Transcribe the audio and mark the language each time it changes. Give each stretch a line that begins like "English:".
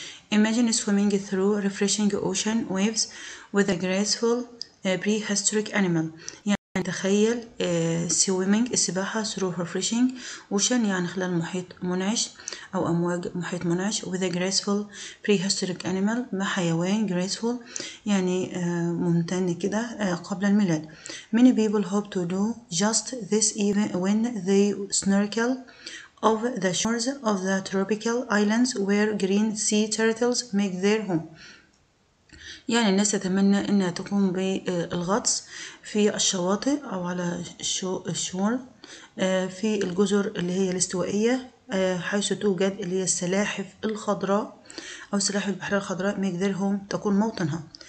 English: Imagine swimming through refreshing ocean waves with a graceful prehistoric animal.
Arabic: يعني تخيل
English: swimming
Arabic: السباحة
English: through refreshing ocean
Arabic: يعني خلال محيط منعش أو أمواج محيط منعش
English: with a graceful prehistoric animal
Arabic: مع حيوان graceful يعني ممتن كده قبل الميلاد.
English: Many people hope to do just this even when they snorkel of the shores of the tropical islands where green sea turtles make their home.
Arabic: يعني الناس تتمنى انها تقوم بالغطس في الشواطئ او على الشور في الجزر اللي هي الاستوائية حيث توجد اللي هي السلاحف الخضراء او سلاحف البحر الخضراء
English: make their home
Arabic: تكون موطنها.